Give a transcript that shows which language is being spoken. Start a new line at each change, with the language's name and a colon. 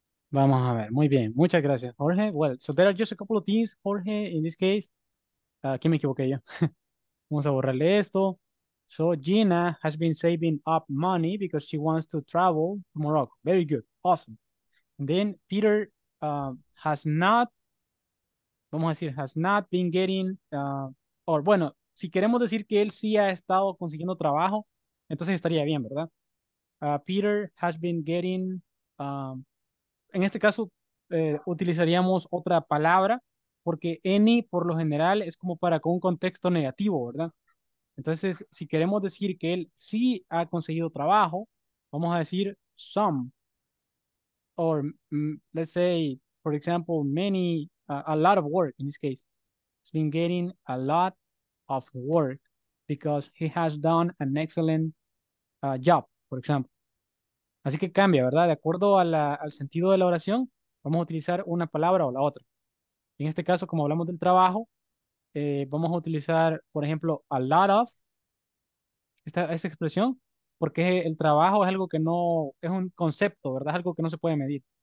Spanish: Vamos a ver, muy bien, muchas gracias, Jorge.
English: Well, so there are just a couple of things, Jorge, in this case. Aquí me equivoqué yo. Vamos a borrarle esto. So Gina has been saving up money because she wants to travel to Morocco.
Spanish: Very good, awesome. And then Peter has not, vamos a decir, has not been getting, or bueno, si queremos decir que él sí ha estado consiguiendo trabajo, entonces estaría bien, ¿verdad? Peter has been getting, en este caso utilizaríamos otra palabra, porque any por lo general es como para con un contexto negativo, ¿verdad? Entonces, si queremos decir que él sí ha conseguido trabajo, vamos a decir some.
English: Or let's say, for example, many, a lot of work in this case. He's been getting a lot of work because he has done an excellent job, for example.
Spanish: Así que cambia, ¿verdad? De acuerdo a al sentido de la oración, vamos a utilizar una palabra o la otra. En este caso, como hablamos del trabajo, vamos a utilizar, por ejemplo, a lot of, esta expresión, porque el trabajo es algo que no, es un concepto, ¿verdad? Es algo que no se puede medir.